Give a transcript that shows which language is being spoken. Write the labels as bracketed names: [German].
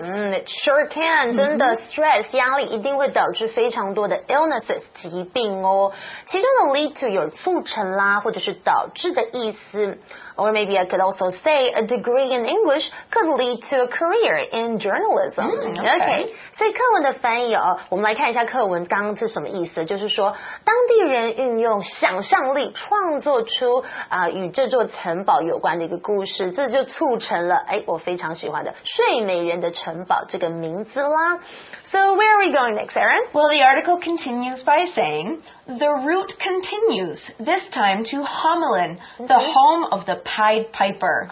[Chinese] Mm, [English] it sure can.、 [Chinese] Mm-hmm. 真的 stress, 压力一定会导致非常多的 illnesses, 疾病哦。其中的 lead to 有促成啦或者是导致的意思。 [English] Or maybe I could also say a degree in English could lead to a career in journalism.、 Mm, okay. okay. [Chinese] 所以课文的翻译哦，我们来看一下课文刚刚是什么意思。就是说，当地人运用想象力创作出、与这座城堡有关的一个故事，这就促成了哎，我非常喜欢的《睡美人的城堡》这个名字啦。 [English] So where are we going next, Erin? Well, the article continues by saying, the route continues, this time to Homelin, the home of the Pied Piper.